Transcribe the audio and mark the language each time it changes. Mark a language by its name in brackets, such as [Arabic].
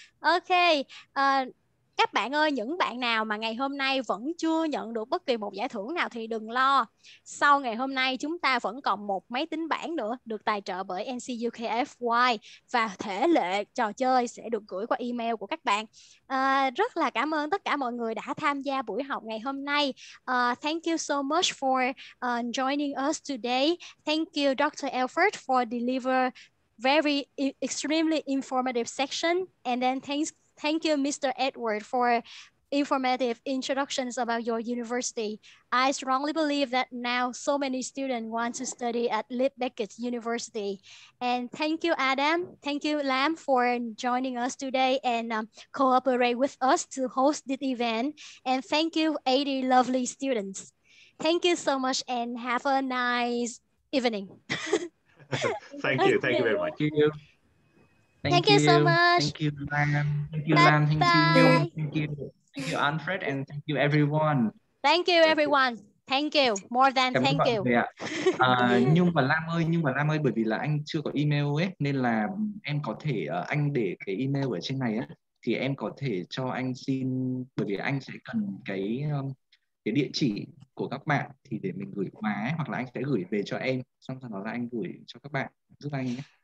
[Vietnamese] Ok, các bạn ơi, những bạn nào mà ngày hôm nay vẫn chưa nhận được bất kỳ một giải thưởng nào thì đừng lo. Sau ngày hôm nay chúng ta vẫn còn một máy tính bảng nữa được tài trợ bởi NCUKFY và thể lệ trò chơi sẽ được gửi qua email của các bạn. Rất là cảm ơn tất cả mọi người đã tham gia buổi học ngày hôm nay. [English] Thank you so much for joining us today. Thank you Dr. Alfred for deliver very extremely informative section. And then thanks you, Mr. Edward, for informative introductions about your university. I strongly believe that now so many students want to study at Leeds Beckett University. And thank you, Adam. Thank you, Lam, for joining us today and cooperate with us to host this event. And thank you, 80 lovely students. Thank you so much and have a nice evening. Thank you so much. Thank you, Lam. Thank you, Alfred, and thank you, everyone. Thank you, everyone. Thank you. [Vietnamese] Nhưng mà Lam ơi, bởi vì là anh chưa có email ấy, nên là em có thể anh để cái email ở trên này á, thì em có thể cho anh xin, bởi vì anh sẽ cần cái địa chỉ của các bạn thì để mình gửi qua ấy, hoặc là anh sẽ gửi về cho em, xong sau đó là anh gửi cho các bạn giúp anh nhé.